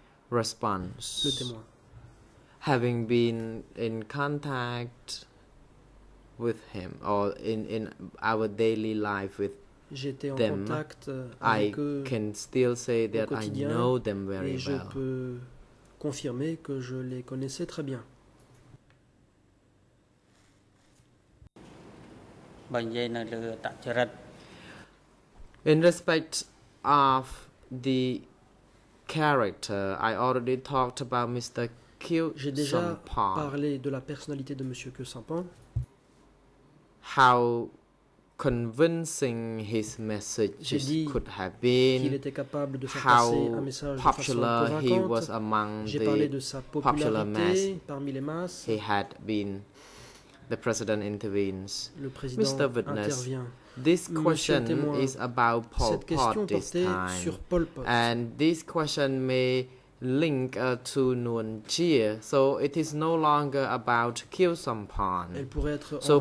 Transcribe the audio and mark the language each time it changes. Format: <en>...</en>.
<en>Response. Having been in contact with him or in our daily life with them, I can still say that I know them very well.</en> <fr>Je peux confirmer que je les connaissais très bien.</fr> <en>In respect of the character, I already talked about Mr.</en> <fr>J'ai déjà parlé de la personnalité de Monsieur Kyu Sampan.</fr> <en>How convincing his message could have been.</en> <fr>Qu'il était capable de faire passer un message de façon convaincante.</fr> <en>He was among</en> <fr>J'ai parlé de sa popularité parmi les masses.</fr> <en>He had been. The president intervenes.</en> <fr>Le président</fr> <en>Mr. Witness,</en> <fr>intervient.</fr> <en>This question is about Pol Pot this time.</en> <fr>Sur Pol Pot.</fr> <en>And this question may link to Nguyen Chia, so it is no longer about Kyu Sampan.</en> <fr>Elle pourrait être en</fr> <en>so</en>